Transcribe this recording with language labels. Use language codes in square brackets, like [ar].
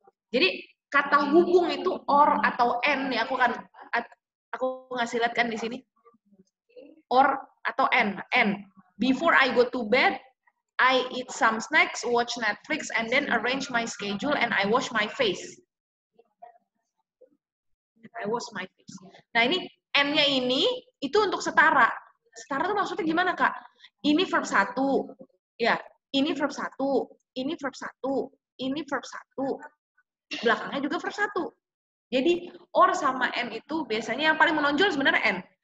[id] Jadi kata hubung itu or atau and nih? Aku ngasih lihat kan di sini. Or atau and? And. [en] Before I go to bed, I eat some snacks, watch Netflix, and then arrange my schedule and I wash my face. I wash my face. [id] Nah ini N-nya ini itu untuk setara. Setara itu maksudnya gimana kak? Ini verb satu, ya. Ini verb satu, ini verb satu, ini verb satu. Belakangnya juga verb satu. Jadi or sama N itu biasanya yang paling menonjol sebenarnya N.